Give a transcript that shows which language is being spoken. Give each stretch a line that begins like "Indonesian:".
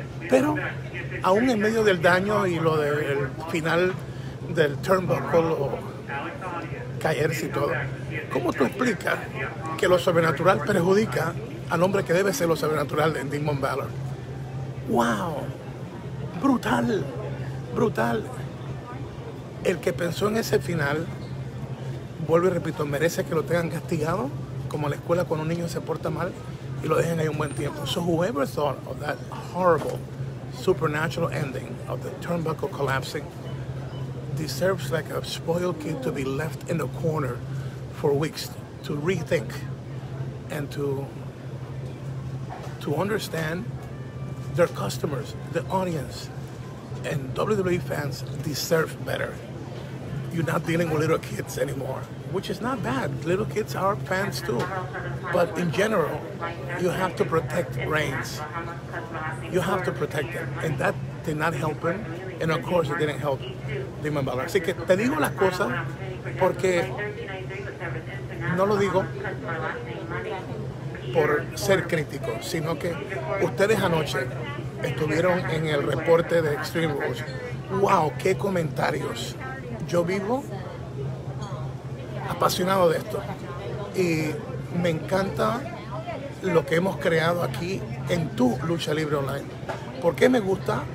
Spanish: Pero aún en medio del daño y lo del final del turnbuckle o caerse y todo, ¿cómo tú explicas que lo sobrenatural perjudica al hombre que debe ser lo sobrenatural en Demon Balor? ¡Wow! ¡Brutal! ¡Brutal! El que pensó en ese final, vuelvo y repito, merece que lo tengan castigado, como en la escuela cuando un niño se porta mal y lo dejen ahí un buen tiempo.
English: So whoever thought of that horrible supernatural ending of the turnbuckle collapsing, deserves like a spoiled kid to be left in the corner for weeks to rethink and to understand their customers, the audience, and WWE fans deserve better. You're not dealing with little kids anymore, which is not bad. Little kids are fans too. But in general, you have to protect Reigns. You have to protect them. And that did not help him. And of course, it didn't help Demon Balor.
Spanish: Así que te digo las cosas porque no lo digo por ser crítico, sino que ustedes anoche estuvieron en el reporte de Extreme Rules. ¡Wow! ¡Qué comentarios! Yo vivo apasionado de esto y me encanta lo que hemos creado aquí en Tu Lucha Libre Online. ¿Por qué me gusta?